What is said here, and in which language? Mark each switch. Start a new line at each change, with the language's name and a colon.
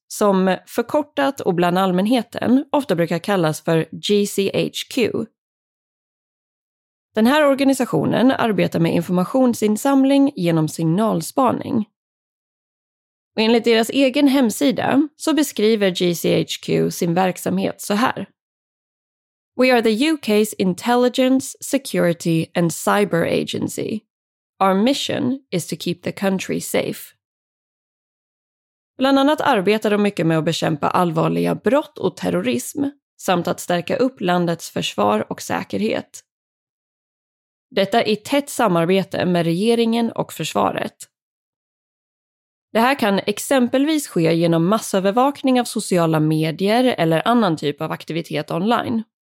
Swedish: som förkortat och bland allmänheten ofta brukar kallas för GCHQ. Den här organisationen arbetar med informationsinsamling genom signalspaning. Och enligt deras egen hemsida så beskriver GCHQ sin verksamhet så här.
English: We are the UK's intelligence, security and cyber agency. Our mission is to keep the country safe.
Swedish: Bland annat arbetar de mycket med att bekämpa allvarliga brott och terrorism samt att stärka upp landets försvar och säkerhet. Detta i tätt samarbete med regeringen och försvaret. Det här kan exempelvis ske genom massövervakning av sociala medier eller annan typ av aktivitet online.